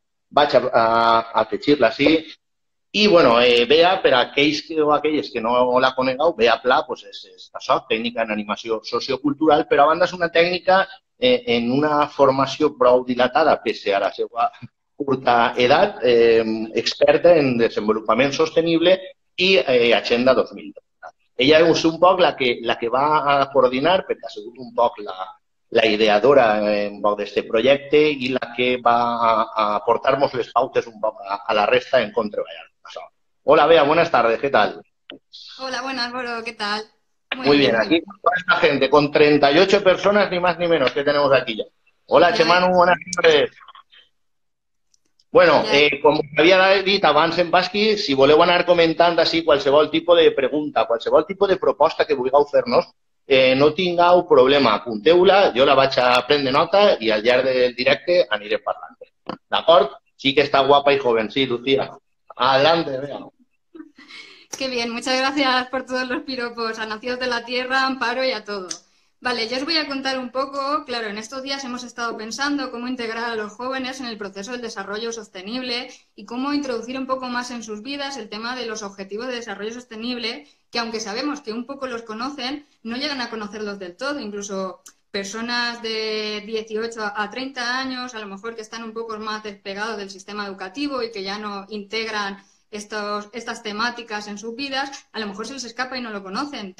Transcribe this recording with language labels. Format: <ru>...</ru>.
<ca>Vaig a afegir-la així. I, bueno, Bea, per a aquells o aquelles que no la conegueu, Bea Pla, pues és això, tècnica en animació sociocultural, però a banda és una tècnica en una formació prou dilatada, pese a la seva curta edat, experta en desenvolupament sostenible i Agenda 2030. Ella és un poc la que va a coordinar, perquè ha sigut un poc la ideadora d'aquest projecte i la que va a portar-nos les pautes un poc a la resta en com treballar.</ca> <es>Hola, Bea, buenas tardes, ¿qué tal? Hola, buenas, Boro, ¿qué tal? Muy bien, aquí con toda esta gente, con 38 personas, ni más ni menos, que tenemos aquí ya. Hola, Chemanu, buenas tardes.</es> <ca>Bueno, com havia dit abans en Pasqui, si voleu anar comentant així qualsevol tipus de pregunta, qualsevol tipus de proposta que vulgueu fer-nos, no tingueu problema, apunteu-la, jo la vaig a prendre nota i al llarg del directe aniré parlant. D'acord? Sí que està guapa i joven, sí, Lucía.</ca> <es>Adelante, Bea. Qué bien, muchas gracias por todos los piropos a Nacidos de la Tierra, Amparo y a todo. Vale, yo os voy a contar un poco, claro, en estos días hemos estado pensando cómo integrar a los jóvenes en el proceso del desarrollo sostenible y cómo introducir un poco más en sus vidas el tema de los objetivos de desarrollo sostenible, que aunque sabemos que un poco los conocen, no llegan a conocerlos del todo, incluso personas de 18 a 30 años, a lo mejor que están un poco más despegados del sistema educativo y que ya no integran estas temáticas en sus vidas, a lo mejor se les escapa y no lo conocen.</es>